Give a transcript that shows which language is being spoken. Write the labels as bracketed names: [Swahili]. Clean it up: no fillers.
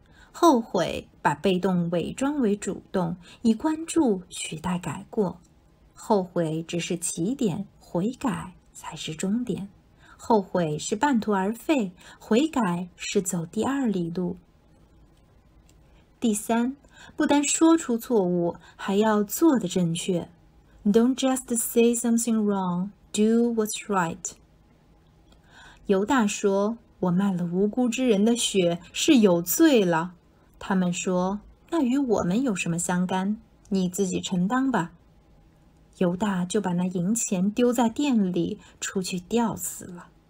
[Chinese] 后悔把被动伪装为主动，以关注取代改过。后悔只是起点，悔改才是终点。后悔是半途而废，悔改是走第二里路。第三，不单说出错误，还要做得正确。 [English] Don't just say something wrong, do what's right. [Chinese] 犹大说：我卖了无辜之人的血，是有罪了。他们说：那与我们有什么相干？你自己承担吧。犹大就把那银钱丢在店里，出去吊死了。